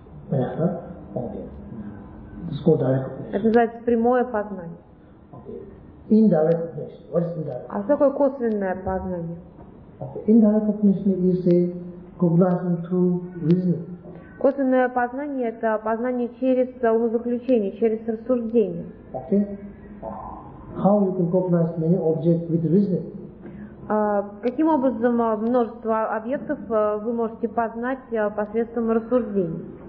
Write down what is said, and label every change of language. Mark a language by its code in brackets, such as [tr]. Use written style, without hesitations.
[ru] Это называется прямое познание. [en] Okay. Indirect cognition. What is indirect cognition? [ru] А что такое косвенное познание? [en] Okay. Indirect cognition is a cognition through reasoning. [ru] Косвенное познание — это познание через умозаключение, через рассуждение. [en] Okay. How you can cognize many objects with reasoning? [ru] Каким образом множество объектов вы можете познать посредством рассуждений?